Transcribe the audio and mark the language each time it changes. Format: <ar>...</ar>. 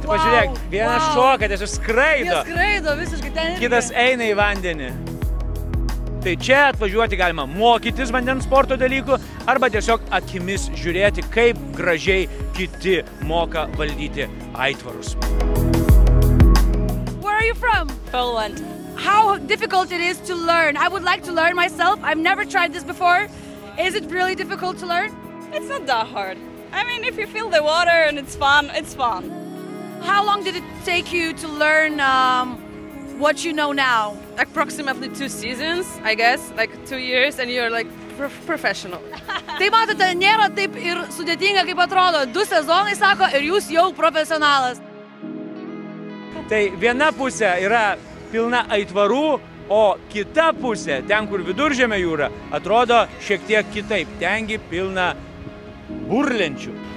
<lt>Tu pažiūrėk, vienas šoka, tiesiog skraido. Jis skraido visiškai ten irgi. Kitas eina į vandenį. Tai čia atvažiuoti galima mokytis vandens sporto dalykų, arba tiesiog akimis žiūrėti, kaip gražiai kiti moka valdyti aitvarus.</lt> <en>Where are you from? Poland. How difficult it is to learn? I would like to learn myself. I've never tried this before. Is it really difficult to learn? It's not that hard. I mean, if you feel the water and it's fun, it's fun. How long did it take you to learn what you know now? Approximately 2 seasons, I guess, like 2 years, and you're like professional.</en> <lt>Tai matote, nėra taip ir sudėtinga, kaip atrodo. 2 sezonai, sako, ir jūs jau profesionalas. Tai viena pusė yra pilna aitvarų, o kita pusė, ten, kur Viduržemio jūra, atrodo šiek tiek kitaip. Tengi pilna burlenčių.</lt>